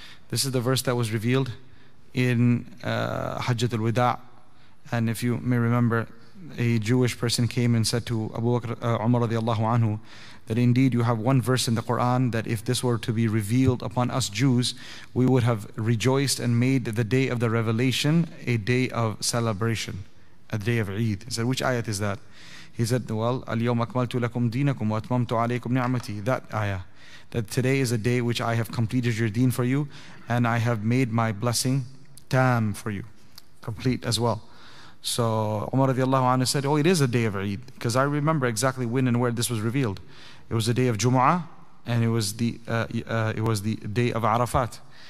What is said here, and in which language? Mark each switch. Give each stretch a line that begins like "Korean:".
English: This is the verse that was revealed in Hajjat al-Wida', and if you may remember, a Jewish person came and said to Abu Bakr, Umar radiallahu anhu, that indeed you have one verse in the Quran that if this were to be revealed upon us Jews, we would have rejoiced and made the day of the revelation a day of celebration, a day of Eid. He said, which ayat is that? He said, well,
Arabic: اليوم أكملت لكم دينكم وأتممت عليكم نعمتي,
English: that ayah. That today is a day which I have completed your deen for you and I have made my blessing tam for you, complete as well. So Umar radiallahu anhu said, oh, it is a day of Eid, because I remember exactly when and where this was revealed. It was the day of Jumu'ah and it was the day of Arafat.